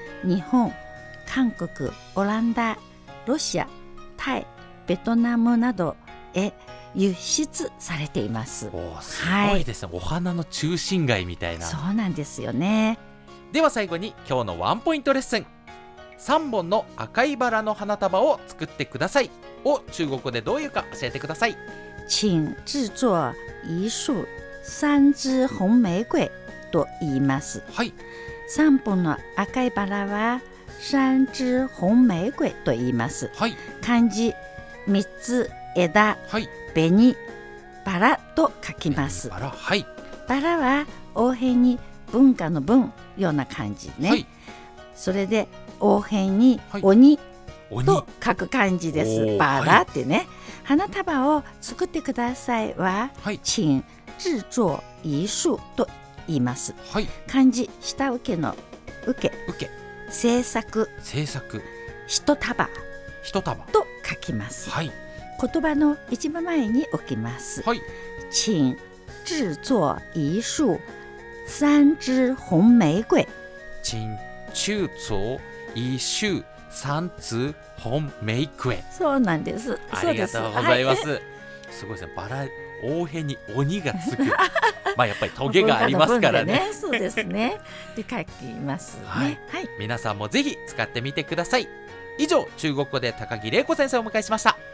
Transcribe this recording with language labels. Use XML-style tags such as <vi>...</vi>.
<ja>日本、韓国、オランダ、ロシア、タイ、ベトナムなどへ輸出されています。お、すごいですね、はい、お花の中心街みたいな。そうなんですよね。では最後に今日のワンポイントレッスン、3本の赤いバラの花束を作ってくださいを中国語でどういうか教えてください。</ja> <zh>请制作一束三枝红玫瑰</zh> <ja>と言います、はい、 3本の赤いバラは</ja> <zh>三枝红玫瑰</zh> <ja>と言います、はい、漢字三つ枝、はい、紅バラと書きます。バラ、はい、バラは黄辺に文化の文ような感じね、はい、それで黄辺に鬼と書く感じです、はい、バラってね、はい、花束を作ってくださいは、はい、</ja> <zh>请制作一束</zh> <ja>と言います、はい、漢字下請けの請け、請け、制作、制作、一束、一束と書きます、はい、言葉の一番前に置きます、はい、</ja> <zh>请制作一束三枝红玫瑰。请制作一束三枝红玫瑰。</zh> <ja>そうなんです。ありがとうございます。すごいですね、バラ、黄辺に鬼がつくまあやっぱりトゲがありますから ね、ね、そうですね、で書きますね、はいはい、皆さんもぜひ使ってみてください。以上、中国語で高木玲子先生をお迎えしました。</ja>